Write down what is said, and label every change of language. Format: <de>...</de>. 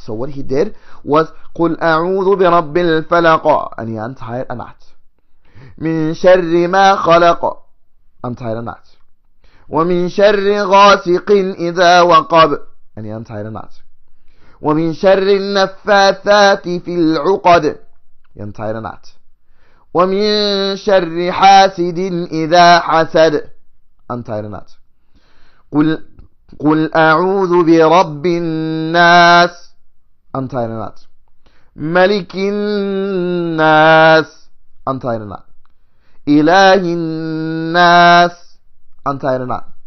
<en>So what he did was</en> <ar>قُلْ أَعُوذُ بِرَبِّ الْفَلَقَ,</ar> <en>and he untied a knot.</en> <ar>مِن شَرِّ مَا خَلَقَ,</ar> <en>untied a knot.</en> <ar>وَمِن شَرِّ غَاسِقٍ إِذَا وَقَبَ,</ar> <en>and he untied a knot.</en> <ar>وَمِن شَرِّ النَّفَّاثَاتِ فِي الْعُقَدِ,</ar> <en>he untied a knot.</en> <ar>وَمِن شَرِّ حَاسِدٍ إِذَا حَسَدَ,</ar> <en>untied a knot.</en> <ar>قُلْ أَعُوذُ بِرَبِّ النَّاسِ,</ar> <en>untied a knot.</en> <ar>مَلِكِ النَّاسِ,</ar> <en>untied a knot.</en> <ar>إِلَهِ النَّاسِ,</ar> <en>untied a knot.</en>